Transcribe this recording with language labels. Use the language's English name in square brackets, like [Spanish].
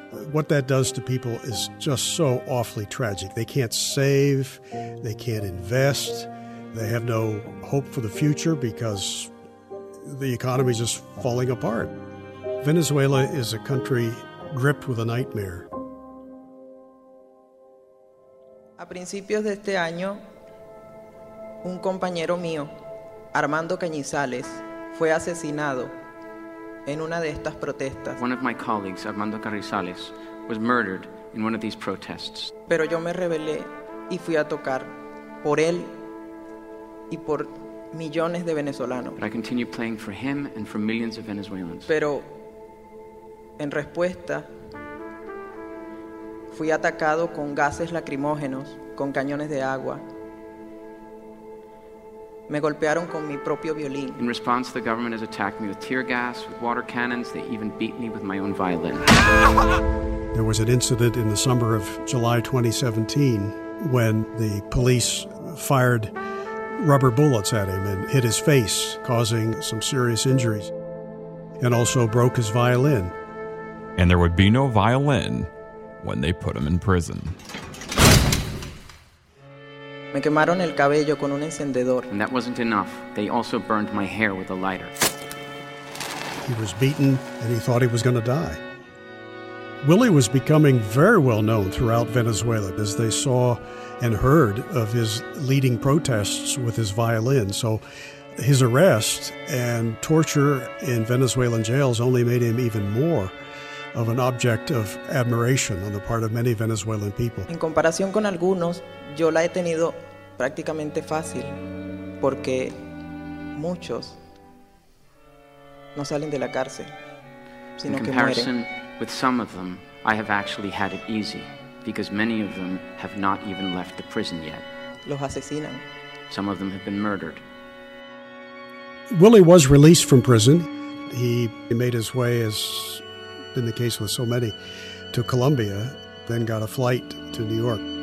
[English] What that does to people is just so awfully tragic. They can't save, they can't invest. They have no hope for the future because the economy is just falling apart. Venezuela is a country gripped with a nightmare. [Spanish] A principios de este año, un compañero mío, Armando Cañizales, fue asesinado en una de estas protestas. [English] One of my colleagues, Armando Cañizales, was murdered in one of these protests. [Spanish] Pero yo me rebelé y fui a tocar por él y por millones de venezolanos. [English] But I continue playing for him and for millions of Venezuelans. [Spanish] Pero en respuesta fui atacado con gases lacrimógenos, con cañones de agua. Me golpearon con mi propio violín. [English] In response, the government has attacked me with tear gas, with water cannons. They even beat me with my own violin. There was an incident in the summer of July 2017 when the police fired rubber bullets at him and hit his face, causing some serious injuries, and also broke his violin. And there would be no violin when they put him in prison. [Spanish] Me quemaron el cabello con un encendedor. [English] And that wasn't enough. They also burned my hair with a lighter. He was beaten and he thought he was going to die. Willy was becoming very well known throughout Venezuela as they saw and heard of his leading protests with his violin. So his arrest and torture in Venezuelan jails only made him even more of an object of admiration on the part of many Venezuelan people. [Spanish] En comparación con algunos, yo la he tenido prácticamente fácil porque muchos no salen de la cárcel, sino que mueren. [English] In comparison with some of them, I have actually had it easy because many of them have not even left the prison yet. [Spanish] Los asesinan. [English] Some of them have been murdered. Willie was released from prison. He made his way, as been the case with so many, to Colombia, then got a flight to New York.